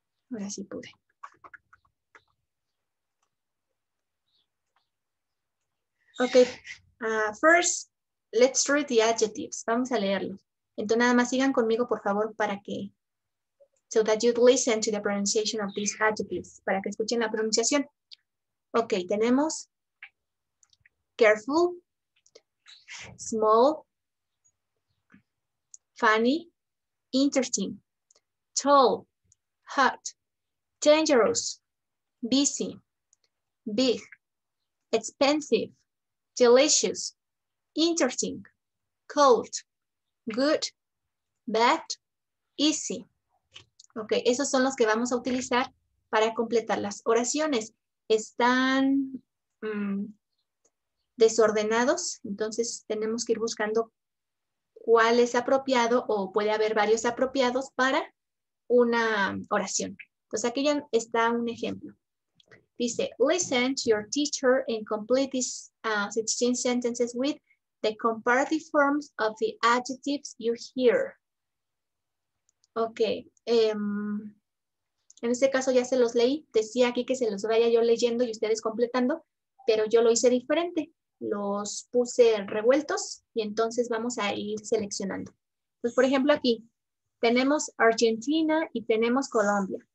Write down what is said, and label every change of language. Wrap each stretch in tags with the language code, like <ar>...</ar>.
<es>Ahora sí pude.</es> <en>Ok. First, let's read the adjectives.</en> <es>Vamos a leerlos. Entonces, nada más sigan conmigo, por favor, para que...</es> <en>So that you listen to the pronunciation of these adjectives.</en> <es>Para que escuchen la pronunciación. Ok, tenemos... Careful...</es> <en>Small, funny, interesting, tall, hot, dangerous, busy, big, expensive, delicious, interesting, cold, good, bad, easy.</en> <es>Ok, esos son los que vamos a utilizar para completar las oraciones. Están... desordenados, entonces tenemos que ir buscando cuál es apropiado o puede haber varios apropiados para una oración. Entonces aquí ya está un ejemplo. Dice,</es> <en>listen to your teacher and complete these 16 sentences with the comparative forms of the adjectives you hear.</en> <es>Ok, en este caso ya se los leí, decía aquí que se los vaya yo leyendo y ustedes completando, pero yo lo hice diferente. Los puse revueltos y entonces vamos a ir seleccionando. Pues por ejemplo aquí tenemos Argentina y tenemos Colombia.</es>